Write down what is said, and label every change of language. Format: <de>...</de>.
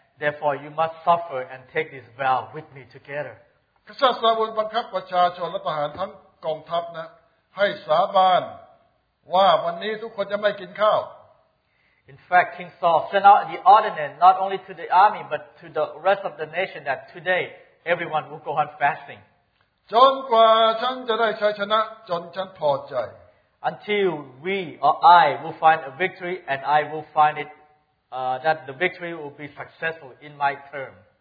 <en>Therefore, you must suffer and take this vow with me together.</en> <th>กษัตริย์ซาอูลบังคับประชาชนและทหารทั้งกองทัพนะให้สาบานว่าวันนี้ทุกคนจะไม่กินข้าว</th> <en>In fact, King Saul sent out the ordinance not only to the army but to the rest of the nation that today everyone will go on fasting. Until we or I will find a victory and I will find it that the victory will be successful in my term.</en>